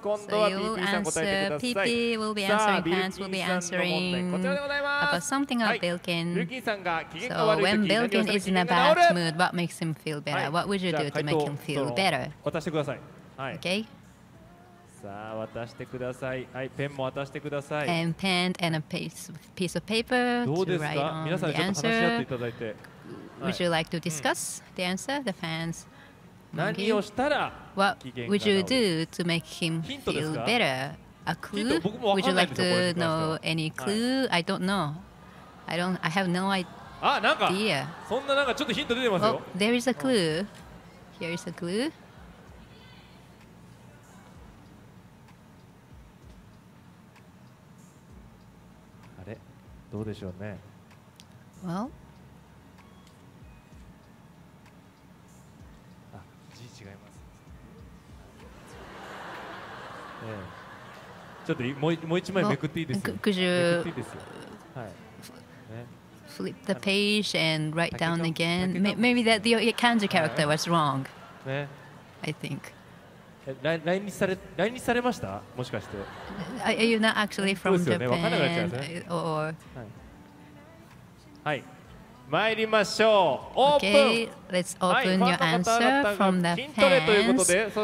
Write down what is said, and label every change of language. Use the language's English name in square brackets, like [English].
[Japanese] 今度はPPさん答えてください。さあ、ビルキンさんの問題、こちらでございます。 [English] About something of Bilkin. [Japanese] ビルキンさんが機嫌が悪いとき、 [English] when Bilkin is in a bad mood, what makes him feel better? What would you do to make him feel better? [Japanese] 渡してください。はい。 [English] Okay. [Japanese] さあ、渡してください。はい、ペンも渡してください。 [English] And pen and a piece of paper to write on the answer. [Japanese] 皆さんちょっと話し合っていただいて。 [English] Would you like to discuss the answer, the fans? [Japanese] 何をしたら [English] What would you do to make him feel better? A clue? Would you like to know any clue? I don't know. I have no idea. [Japanese] あ、なんか、そんななんかちょっとヒント出てますよ。 [English] There is a clue. Here is a clue. [Japanese] どうでしょうね。 [English] Well, [Japanese] 字違います。ちょっともう一枚めくっていいですか。 [English] Could you [Japanese] いい、はい [English] ね、flip the page and write down again? Maybe that the kanji character was wrong. [Japanese] ね。 [English] I think. [Japanese] 来日されました？もしかして。 [English] Are you not actually from Japan? [Japanese] そうですよね。わからなくなっちゃいますね。 [English] Or、 [Japanese] はいはい、参りましょう。オープン。 [English] Okay, let's open your answer from the fans.